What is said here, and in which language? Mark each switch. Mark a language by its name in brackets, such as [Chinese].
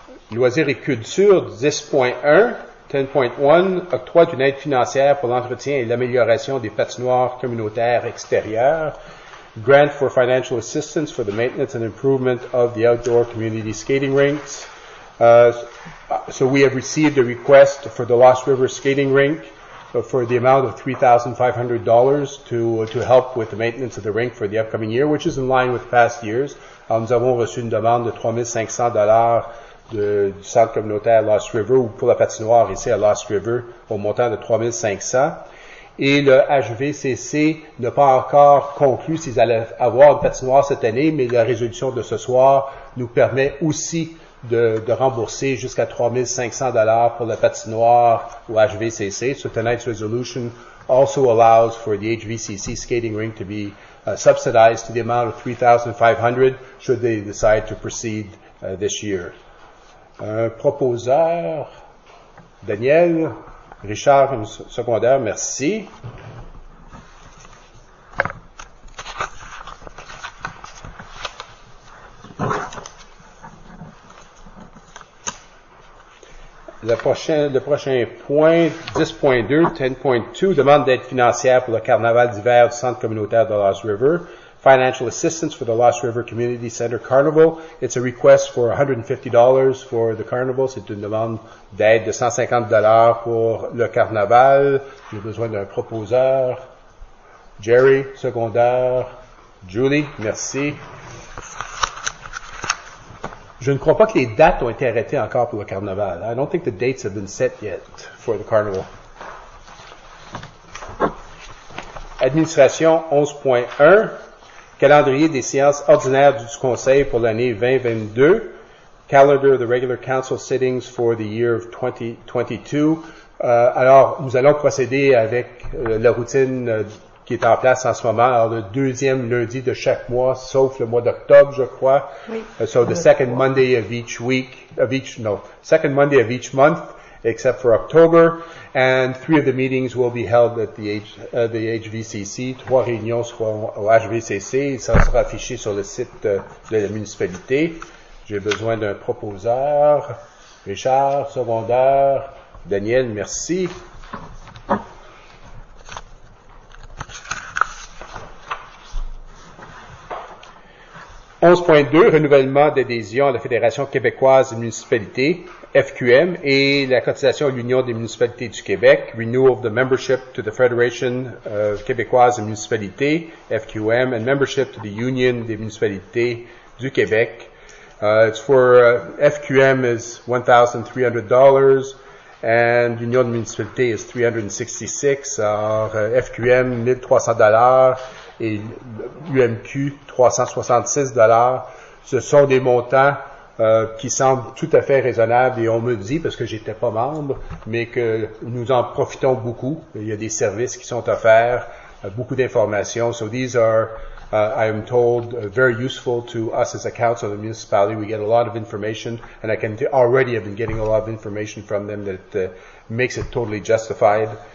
[French] Loisirs et culture 10.1, octroi d'une aide financière pour l'entretien et l'amélioration des patinoires communautaires extérieures. [English] Grant for financial assistance for the maintenance and improvement of the outdoor community skating rinks. So we have received a request for the Lost River skating rink for the amount of $3,500 to help with the maintenance of the rink for the upcoming year, which is in line with past years. [French] Nous avons reçu une demande de $3,500 du centre communautaire Lost River ou pour la patinoire ici à Lost River au montant de $3,500. Et le HVCC n'a pas encore conclu s'ils allaient avoir une patinoire cette année, mais la résolution de ce soir nous permet aussi de rembourser jusqu'à $3,500 pour la patinoire au HVCC. [English] So tonight's resolution also allows for the HVCC skating rink to be subsidized to the amount of $3,500 should they decide to proceed this year. [French] Un proposeur, Daniel, Richard, un secondaire, merci. Le prochain point, 10.2, demande d'aide financière pour le carnaval d'hiver du centre communautaire de Lost River. [English] Financial assistance for the Lost River Community Center Carnival. It's a request for $150 for the carnival. [French] C'est une demande d'aide de $150 pour le carnaval. J'ai besoin d'un proposeur. Jerry, secondaire. Julie, merci. Je ne crois pas que les dates ont été arrêtées encore pour le carnaval. [English] I don't think the dates have been set yet for the carnival. [French] Administration 11.1. Calendrier des séances ordinaires du Conseil pour l'année 2022. [English] Calendar of the regular council sittings for the year of 2022. [French] Alors, nous allons procéder avec la routine qui est en place en ce moment. Alors, le deuxième lundi de chaque mois, sauf le mois d'octobre, je crois. Oui. [English] So, the second Monday of each week, second Monday of each month, except for October. And three of the meetings will be held at the HVCC. [French] Trois réunions seront au HVCC. Ça sera affiché sur le site de la municipalité. J'ai besoin d'un proposeur. Richard, secondaire. Daniel, merci. Renouvellement d'adhésion à la Fédération québécoise des municipalités, FQM, et la cotisation à l'Union des municipalités du Québec, [English] Renewal of the Membership to the Federation of québécoise des municipalités, FQM, and Membership to the Union des municipalités du Québec. It's for FQM is $1,300, [French] and l'union de municipalité is 366, alors FQM 1300 et UMQ 376. Ce sont des montants qui semblent tout à fait raisonnables, et on me dit, parce que j'étais pas membre, mais que nous en profitons beaucoup. Il y a des services qui sont offerts, beaucoup d'informations. [English] So these are, I am told, very useful to us as a council of the municipality. We get a lot of information, and I can already have been getting a lot of information from them that makes it totally justified.